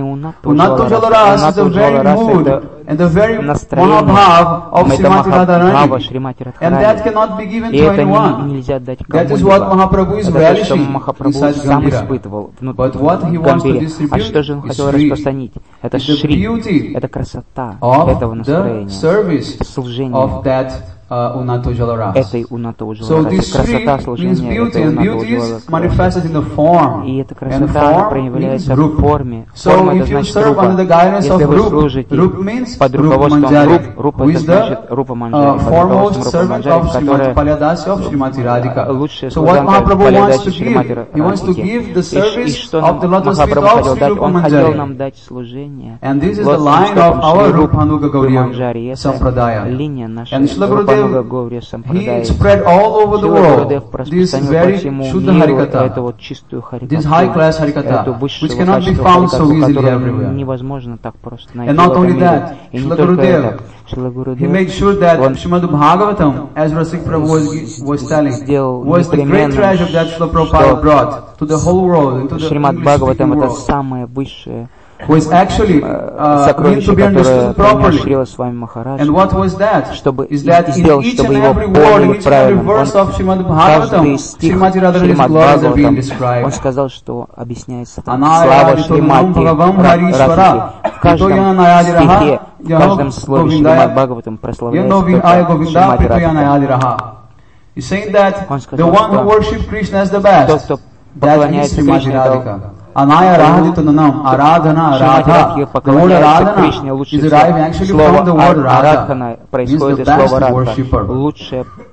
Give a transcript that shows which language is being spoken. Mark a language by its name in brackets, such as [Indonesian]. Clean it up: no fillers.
[English] Unnato Jalaras. Unnato Jalaras is the very mood and the very Mahabhav of Srimati Radharani. And that cannot be given to anyone. That is what Mahaprabhu is relishing inside Gambira. But what he wants to distribute is free. [Russian] это Шри, это красота этого настроения, служения этой Унато Ужаларасы. Красота служения этой Унато Ужаларасы. И эта красота проявляется в форме. Форма это значит рупа. Если вы служите под руководством рупа, это значит рупа манджари, которая лучшая служанка Палядаси Шримати Радхики. И что Махапрабху хотел дать? Он хотел нам дать служение лотосным стопам Шри Рупа Манджари. Это линия нашей Рупа. [English] He spread all over the world this very Shuddha Harikata, this high class Harikata, which cannot be found so easily everywhere. And not only that, Śrīla Gurudeva, he made sure that Śrīmadu Bhāgavatam, as Rasik Prabhu was telling, was the great treasure that Śrīla Prabhupāda brought to the whole world, into the English-speaking world. Was actually [Russian] сокровище, которое [English] and what was that? Is that in each and every word, in each and every verse of Śrīmad Bhāgavatam, Śrīmati Radharani's glories are being described. [Russian] Он сказал, что объясняется там слава Шримати Радхарики. В каждом слове Śrīmad Bhāgavatam прославляется Śrīmati Radharani. [English] He's saying that the one who worships Krishna as the best, that is Śrīmati Radhika. Anaya Radhitananam, Aradhana, Radha, the word Aradhana is derived actually from the word Radha, means the best worshipper.